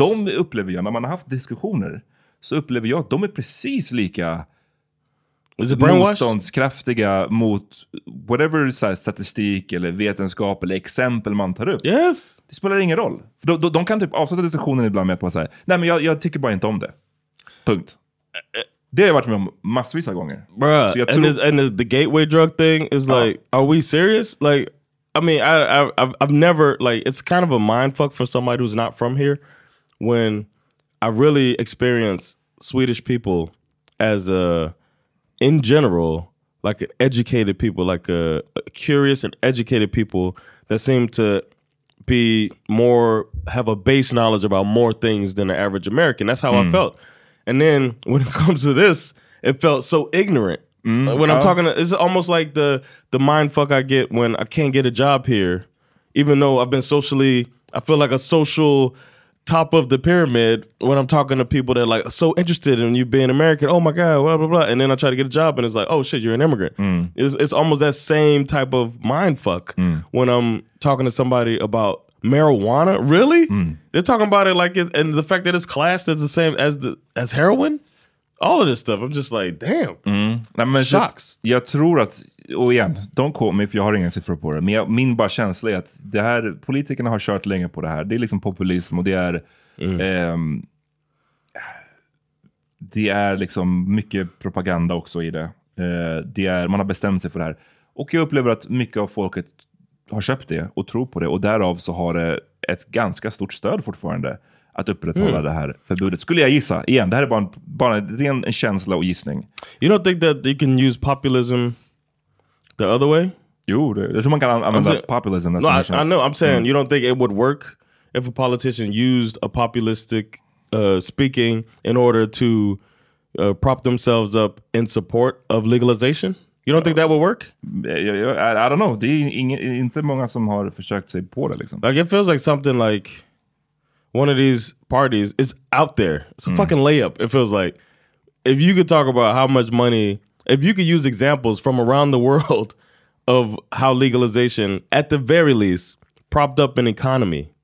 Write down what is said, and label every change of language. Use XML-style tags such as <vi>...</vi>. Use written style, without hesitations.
<sv>Och de upplever jag, när man har haft diskussioner, så upplever jag att de är precis lika motståndskraftiga mot whatever så här, statistik eller vetenskap eller exempel man tar upp.</sv> <en>Yes.</en> <sv>Det spelar ingen roll. De kan typ avsluta diskussionen ibland med att bara säga, nej men jag tycker bara inte om det. Punkt. Det har jag varit med om massvis av gånger.</sv> <en>Bruh, and the gateway drug thing is like, are we serious? Like, I mean, I've never, like, it's kind of a mindfuck for somebody who's not from here when I really experience Swedish people as a in general, like educated people, like curious and educated people that seem to be more, have a base knowledge about more things than the average American. That's how I felt. And then when it comes to this, it felt so ignorant. Like when I'm talking, it's almost like the mind fuck I get when I can't get a job here, even though I've been socially, I feel like a social top of the pyramid when I'm talking to people that are like so interested in you being American. Oh my God, blah, blah, blah. And then I try to get a job and it's like, oh shit, you're an immigrant. Mm. It's almost that same type of mind fuck when I'm talking to somebody about marijuana. Really? Mm. They're talking about it like, and the fact that it's classed as the same as heroin? all of this stuff. I'm just like, damn.</en> <sv>Mm. Men, shocks. Jag tror att, och igen,</sv> <en>don't quote me,</en> <sv>för jag har inga siffror på det. Men jag, min bara känsla är att det här, politikerna har kört länge på det här. Det är liksom populism och det är... Mm. Det är liksom mycket propaganda också i det. Det är, man har bestämt sig för det här. Och jag upplever att mycket av folket har köpt det och tror på det. Och därav så har det ett ganska stort stöd fortfarande att upprätthålla det här förbudet. Skulle jag gissa. Igen, det här är bara en känsla och gissning.</sv> <en>You don't think that you can use populism the other way?</en> <sv>Jo, det tror man kan använda saying, populism.</sv> <en>No, I know, I'm saying you don't think it would work if a politician used a populistic... speaking in order to prop themselves up in support of legalization. You don't think that will work? I don't know.</en> <sv>Det är inte många som har försökt sig på det liksom.</sv> <en>Like it feels like something like one of these parties is out there. It's a fucking layup. It feels like if you could talk about how much money, if you could use examples from around the world of how legalization at the very least propped up an economy.</en>